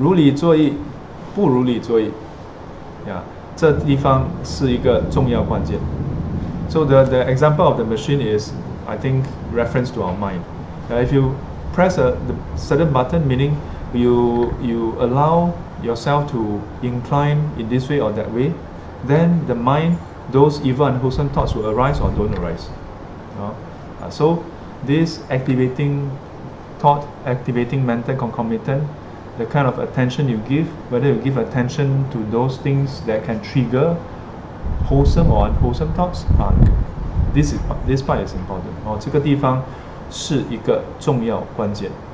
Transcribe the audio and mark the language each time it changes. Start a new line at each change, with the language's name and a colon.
Chinese: So,所以如理作意,不如理作意.Yeah, 这地方是一个重要关键.
English: So the example of the machine is, I think, reference to our mind. If you press the certain button, meaning you allow yourself to incline in this way or that way, then the mind, those evil and wholesome thoughts will arise or don't arise. So this activating thought, activating mental concomitant, the kind of attention you give, whether you give attention to those things that can trigger wholesome or unwholesome thoughts, this part is important.
Chinese: 这个地方是一个重要关键.